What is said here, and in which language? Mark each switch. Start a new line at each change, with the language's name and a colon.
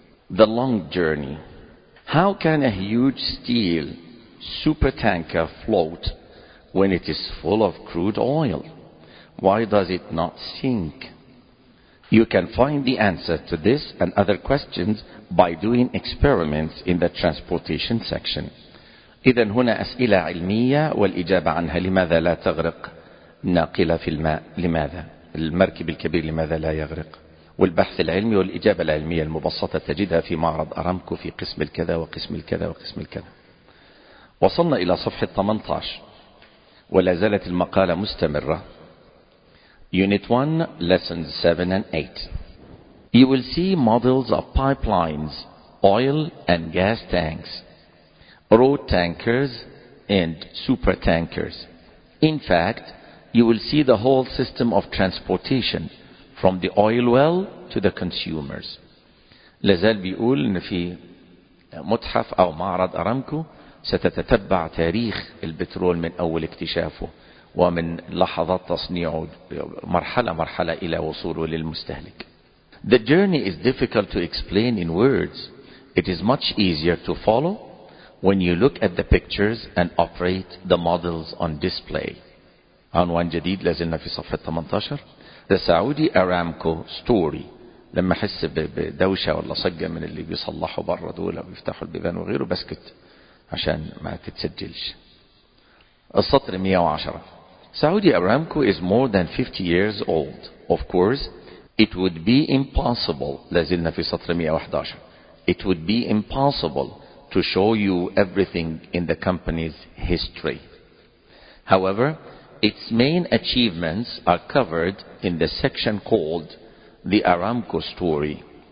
English: The long journey. How can a huge steel supertanker float when it is full of crude oil? Why does it not sink? You can find the answer to this and other questions by doing experiments in the transportation section.
Arabic: إذن هنا أسئلة علمية والإجابة عنها. لماذا لا تغرق ناقلة في الماء؟ لماذا؟ المركب الكبير لماذا لا يغرق؟ والبحث العلمي والإجابة العلمية المبسطة تجدها في معرض أرامكو في قسم الكذا وقسم الكذا وقسم الكذا. وصلنا إلى صفحة 18. ولا زالت المقالة مستمرة.
English: Unit 1, Lessons 7 and 8. You will see models of pipelines, oil and gas tanks, road tankers and super tankers. In fact, you will see the whole system of transportation from the oil well to the consumers.
Arabic: لازال بيقول ان في متحف او معرض ارامكو ستتتبع تاريخ البترول من اول اكتشافه ومن لحظات تصنيعه مرحلة مرحلة الى وصوله للمستهلك.
English: The journey is difficult to explain in words. It is much easier to follow when you look at the pictures and operate the models on display.
Arabic: عنوان جديد لازلنا في صفحة 18.
English: The Saudi Aramco story.
Arabic: لما حس بدوشة ولا صجة من اللي بيصلحوا برا دول ويفتحوا البيبان وغيره بسكت عشان ما تتسجلش. السطر 110.
English: Saudi Aramco is more than 50 years old. Of course, it would be impossible.
Arabic: لازلنا في سطر 111.
English: It would be impossible to show you everything in the company's history. However, its main achievements are covered in the section called The Aramco Story.